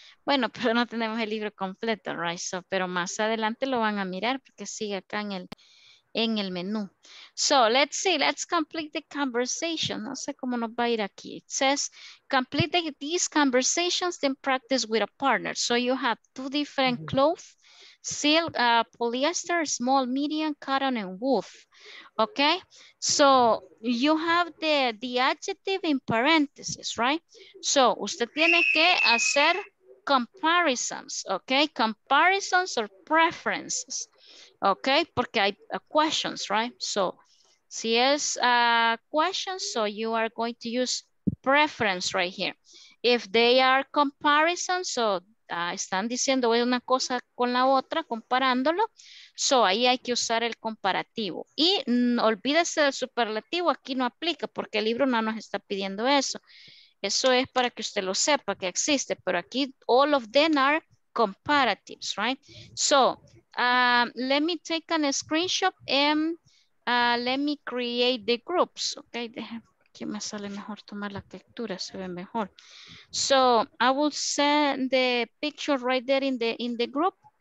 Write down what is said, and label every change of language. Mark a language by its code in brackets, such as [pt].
[es] Bueno, pero no tenemos el libro completo, right? So, pero más adelante lo van a mirar porque sigue acá en el menú. [en] So let's see, let's complete the conversation. [es] No sé cómo nos va a ir aquí. [en] It says, complete these conversations then practice with a partner. So you have two different clothes, silk, polyester, small, medium, cotton, and wool. Okay, so you have the adjective in parentheses, right? [es] So usted tiene que hacer comparisons, okay? [en] Comparisons or preferences. Ok, [es] porque hay [en] questions, right? So, [es] si es [en] questions, so you are going to use preference right here. If they are comparisons, [es] so están diciendo una cosa con la otra, comparándolo, so ahí hay que usar el comparativo. Y olvídese del superlativo, aquí no aplica porque el libro no nos está pidiendo eso. Eso es para que usted lo sepa que existe, pero aquí [en] all of them are comparatives, [es] right? [en] So, let me take a screenshot and let me create the groups. [es] Okay, aquí me sale mejor tomar la captura, se ve mejor. [en] So I will send the picture right there in the group.